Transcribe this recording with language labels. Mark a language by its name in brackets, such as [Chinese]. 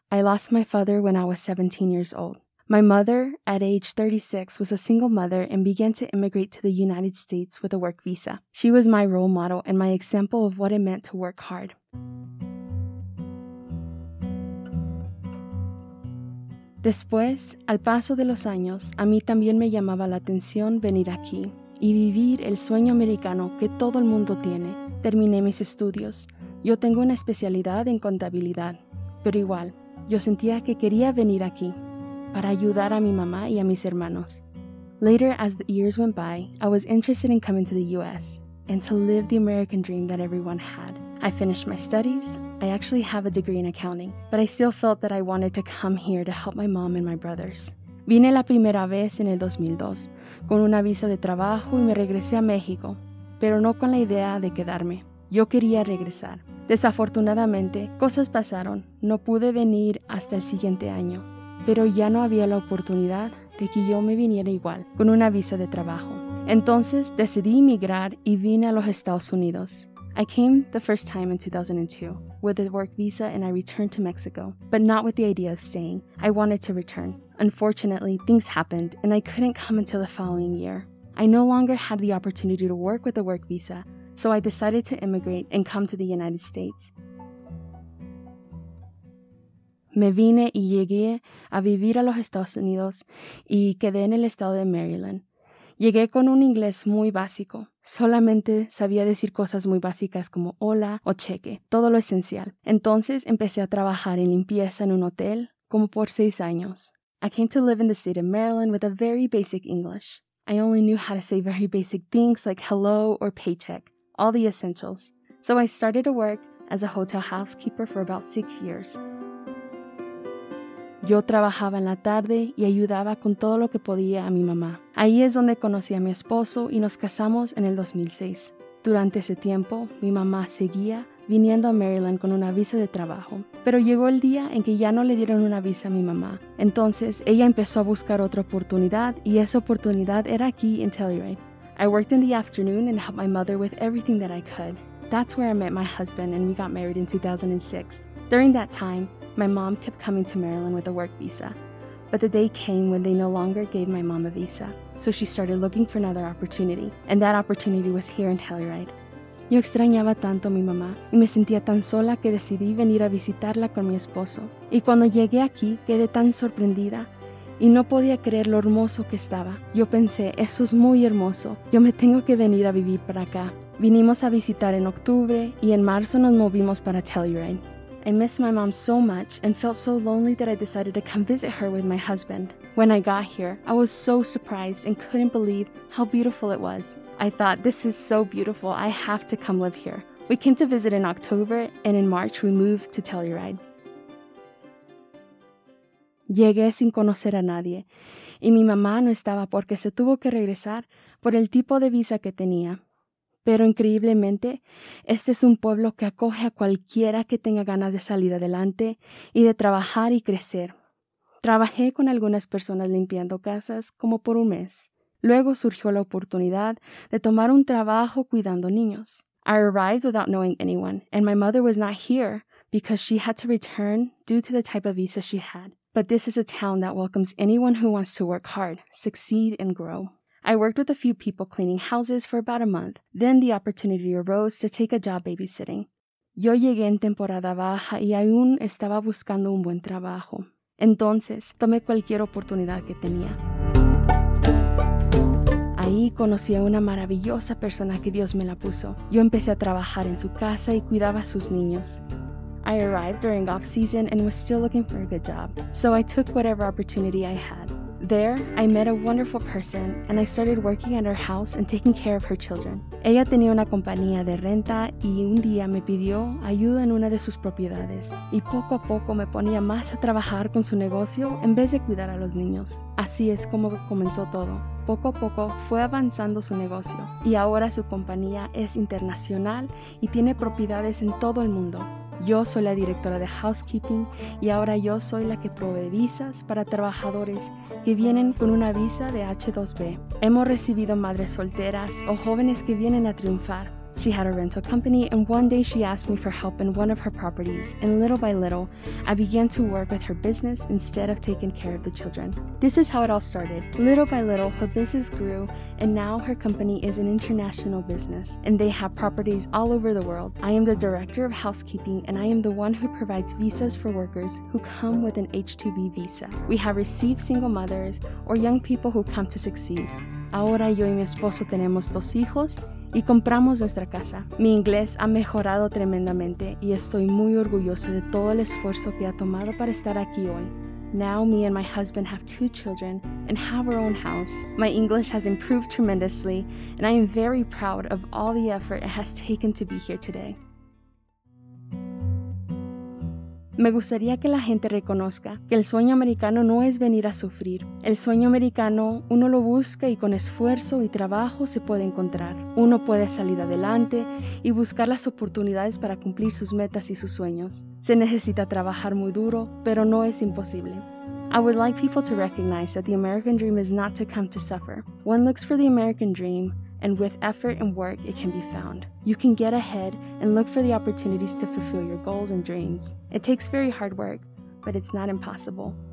[English] I lost my father when I was 17 years old. My mother, at age 36, was a single mother and began to immigrate to the United States with a work visa. She was my role model and my example of what it meant to work hard. [Spanish] Después, al paso de los años, a mí también me llamaba la atención venir aquí y vivir el sueño americano que todo el mundo tiene. Terminé mis estudios. Yo tengo una especialidad en contabilidad, pero igual, yo sentía que quería venir aquí para ayudar a mi mamá y a mis hermanos. [English] Later, as the years went by, I was interested in coming to the U.S. and to live the American dream that everyone had. I finished my studies. I actually have a degree in accounting, but I still felt that I wanted to come here to help my mom and my brothers. [Spanish] Vine la primera vez en el 2002 con una visa de trabajo y me regresé a México, pero no con la idea de quedarme. Yo quería regresar. Desafortunadamente, cosas pasaron. No pude venir hasta el siguiente año. Pero ya no había la oportunidad de que yo me viniera igual, con una visa de trabajo. Entonces, decidí emigrar y vine a los Estados Unidos. [English] I came the first time in 2002 with a work visa and I returned to Mexico, but not with the idea of staying. I wanted to return. Unfortunately, things happened and I couldn't come until the following year. I no longer had the opportunity to work with a work visa, so I decided to immigrate and come to the United States. [Spanish] Me vine y llegué a vivir a los Estados Unidos y quedé en el estado de Maryland. Llegué con un inglés muy básico. Solamente sabía decir cosas muy básicas como hola o cheque, todo lo esencial. Entonces empecé a trabajar en limpieza en un hotel como por 6 años. [English] I came to live in the state of Maryland with a very basic English. I only knew how to say very basic things like hello or paycheck, all the essentials. So I started to work as a hotel housekeeper for about 6 years. [Spanish] Yo trabajaba en la tarde y ayudaba con todo lo que podía a mi mamá. Ahí es donde conocí a mi esposo y nos casamos en el 2006. Durante ese tiempo, mi mamá seguía viniendo a Maryland con una visa de trabajo. Pero llegó el día en que ya no le dieron una visa a mi mamá. Entonces, ella empezó a buscar otra oportunidad y esa oportunidad era aquí en Telluride. [English] I worked in the afternoon and helped my mother with everything that I could. That's where I met my husband and we got married in 2006. During that time, my mom kept coming to Maryland with a work visa, but the day came when they no longer gave my mom a visa, so she started looking for another opportunity, and that opportunity was here in Telluride. [Spanish] Yo extrañaba tanto a mi mamá, y me sentía tan sola que decidí venir a visitarla con mi esposo. Y cuando llegué aquí, quedé tan sorprendida, y no podía creer lo hermoso que estaba. Yo pensé, eso es muy hermoso, yo me tengo que venir a vivir para acá. Vinimos a visitar en octubre, y en marzo nos movimos para Telluride. [English] I missed my mom so much and felt so lonely that I decided to come visit her with my husband. When I got here, I was so surprised and couldn't believe how beautiful it was. I thought, this is so beautiful, I have to come live here. We came to visit in October, and in March we moved to Telluride. [Spanish] Llegué sin conocer a nadie, y mi mamá no estaba porque se tuvo que regresar por el tipo de visa que tenía. Pero increíblemente, este es un pueblo que acoge a cualquiera que tenga ganas de salir adelante y de trabajar y crecer. Trabajé con algunas personas limpiando casas como por un mes. Luego surgió la oportunidad de tomar un trabajo cuidando niños. [English] I arrived without knowing anyone, and my mother was not here because she had to return due to the type of visa she had. But this is a town that welcomes anyone who wants to work hard, succeed, and grow. I worked with a few people cleaning houses for about a month. Then the opportunity arose to take a job babysitting. [Spanish] Yo llegué en temporada baja y aún estaba buscando un buen trabajo. Entonces, tomé cualquier oportunidad que tenía. Ahí conocí a una maravillosa persona que Dios me la puso. Yo empecé a trabajar en su casa y cuidaba a sus niños. [English] I arrived during off-season and was still looking for a good job, so I took whatever opportunity I had. There, I met a wonderful person, and I started working at her house and taking care of her children. [Spanish] Ella tenía una compañía de renta, y un día me pidió ayuda en una de sus propiedades. Y poco a poco me ponía más a trabajar con su negocio en vez de cuidar a los niños. Así es como comenzó todo. Poco a poco fue avanzando su negocio, y ahora su compañía es internacional y tiene propiedades en todo el mundo. Yo soy la directora de housekeeping y ahora yo soy la que provee visas para trabajadores que vienen con una visa de H2B. Hemos recibido madres solteras o jóvenes que vienen a triunfar. [English] She had a rental company and one day she asked me for help in one of her properties and little by little, I began to work with her business instead of taking care of the children. This is how it all started. Little by little, her business grew and now her company is an international business and they have properties all over the world. I am the director of housekeeping and I am the one who provides visas for workers who come with an H2B visa. We have received single mothers or young people who come to succeed. [Spanish] Ahora yo y mi esposo tenemos dos hijos y compramos nuestra casa. Mi inglés ha mejorado tremendamente y estoy muy orgullosa de todo el esfuerzo que ha tomado para estar aquí hoy. [English] Now me and my husband have two children and have our own house. My English has improved tremendously and I am very proud of all the effort it has taken to be here today. [Spanish] Me gustaría que la gente reconozca que el sueño americano no es venir a sufrir. El sueño americano, uno lo busca y con esfuerzo y trabajo se puede encontrar. Uno puede salir adelante y buscar las oportunidades para cumplir sus metas y sus sueños. Se necesita trabajar muy duro, pero no es imposible. [English] I would like people to recognize that the American dream is not to come to suffer. One looks for the American dream, and with effort and work, it can be found. You can get ahead and look for the opportunities to fulfill your goals and dreams. It takes very hard work, but it's not impossible.